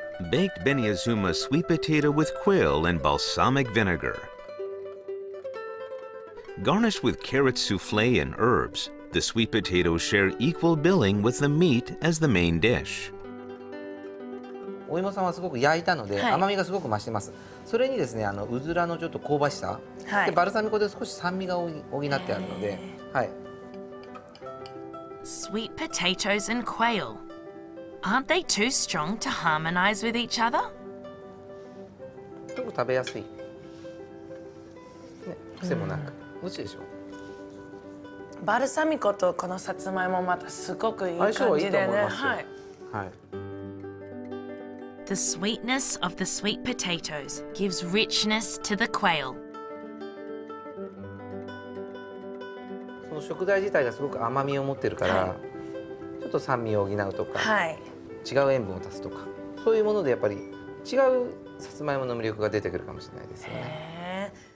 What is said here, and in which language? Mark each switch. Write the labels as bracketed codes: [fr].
[en] Baked Beniazuma sweet potato with quail and balsamic vinegar. Garnished with carrot souffle and herbs, the sweet potatoes share equal billing with the meat as the main dish. [ja] お芋さんはすごく焼いたので、はい、甘みがすごく増してます。それにですね、あのうずらのちょっと香ばしさ、はい、でバルサミコで少し酸味が補ってあるので、はい。 [en] Sweet potatoes and quail. Aren't they too strong to harmonize with each other? [ja] ちょっと食べやすい。ね、癖もなく、美味しいでしょ。バルサミコとこのさつまいもまたすごくいい感じでね。相性はいいと思いますよ。はい。はい。 [en] The sweetness of the sweet potatoes gives richness to the quail. [ja] その食材自体がすごく甘みを持ってるから、はい、ちょっと酸味を補うとか、はい、違う塩分を足すとか、そういうものでやっぱり違うさつまいもの魅力が出てくるかもしれないですよね。